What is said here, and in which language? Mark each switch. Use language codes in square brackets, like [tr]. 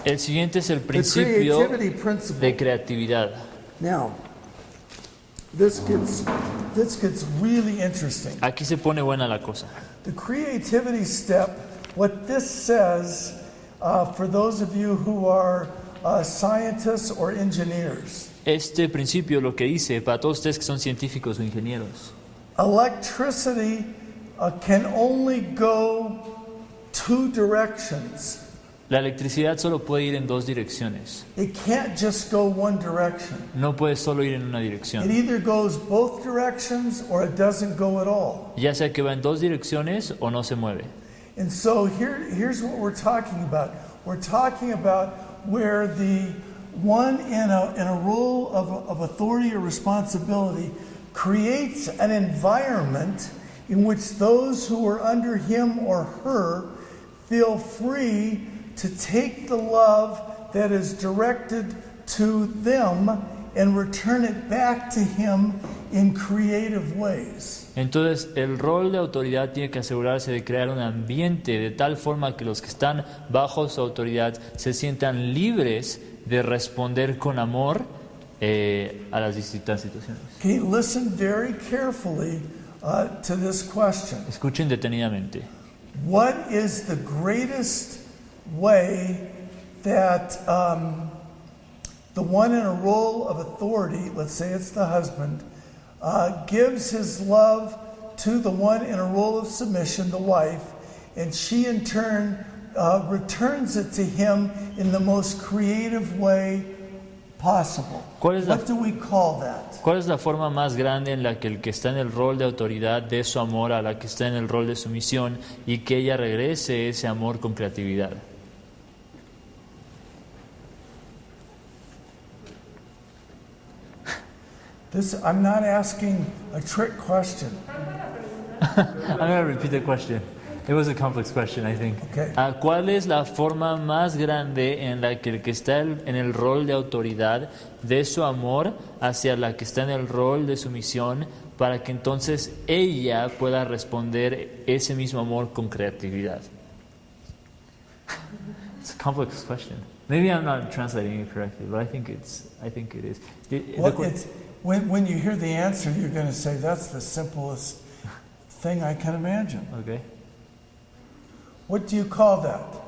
[es] El siguiente es el principio de creatividad. [en] Now, this gets really interesting. [es] Aquí se pone buena la cosa. [en] The creativity step, what this says, for those of you who are scientists or engineers. [es] Este principio lo que dice para todos ustedes que son científicos o ingenieros. [en] Electricity can only go two directions. [es] La electricidad solo puede ir en dos direcciones. [en] It can't just go one direction. [es] No puede solo ir en una dirección. [en] It either goes both directions or it doesn't go at all. [es] Ya sea que va en dos direcciones o no se mueve. [en] And so here's what we're talking about. We're talking about where the one in a role of authority or responsibility creates an environment in which those who are under him or her feel free to take the love that is directed to them and return it back to him in creative ways. [es] Entonces, el rol de autoridad tiene que asegurarse de crear un ambiente de tal forma que los que están bajo su autoridad se sientan libres de responder con amor a las distintas situaciones. [en] Okay, listen very carefully to this question. [es] Escuchen detenidamente. [en] What is the greatest way that the one in a role of authority, let's say it's the husband, gives his love to the one in a role of submission, the wife, and she in turn returns it to him in the most creative way possible? What do we call that? [es] ¿Cuál es la forma más grande en la que el que está en el rol de autoridad dé su amor a la que está en el rol de sumisión y que ella regrese ese amor con creatividad? [en] This, I'm not asking a trick question. I'm going to repeat the question. It was a complex question, I think. Okay. [es] ¿Cuál es la forma más grande en la que el que está en el rol de autoridad de su amor hacia la que está en el rol de sumisión para que entonces ella pueda responder ese mismo amor con creatividad? [en] It's a complex question. Maybe I'm not translating it correctly, but I think it is. When you hear the answer, you're going to say, that's the simplest thing I can imagine. Okay. What do you call that?